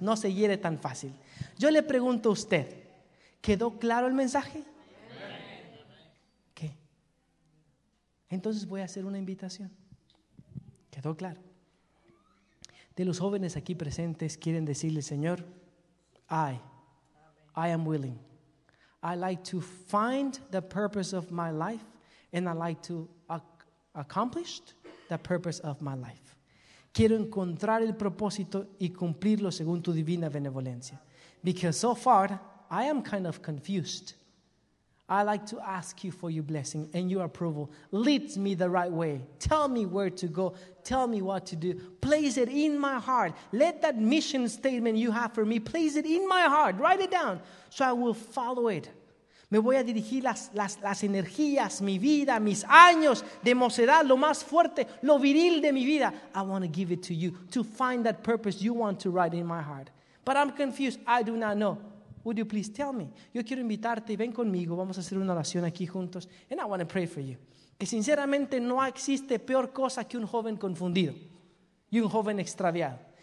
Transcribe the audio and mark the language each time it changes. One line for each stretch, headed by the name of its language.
Spanish: No se hiere tan fácil. Yo le pregunto a usted, ¿quedó claro el mensaje? ¿Qué? Entonces voy a hacer una invitación. ¿Quedó claro? De los jóvenes aquí presentes, quieren decirle, Señor,
English: I am willing. I like to find the purpose of my life and I like to accomplish the purpose of my life.
Spanish: Quiero encontrar el propósito y cumplirlo según tu divina benevolencia.
English: Because so far, I am kind of confused. I like to ask you for your blessing and your approval. Lead me the right way. Tell me where to go. Tell me what to do. Place it in my heart. Let that mission statement you have for me, place it in my heart. Write it down so I will follow it.
Spanish: Me voy a dirigir las energías, mi vida, mis años de mocedad, lo más fuerte, lo viril de mi vida.
English: I want to give it to you to find that purpose you want to write in my heart. But I'm confused. I do not know. Would you please tell me?
Spanish: Yo quiero invitarte, ven conmigo, vamos a hacer una oración aquí juntos.
English: And I want to pray for you.
Spanish: Que sinceramente no existe peor cosa que un joven confundido y un joven extraviado.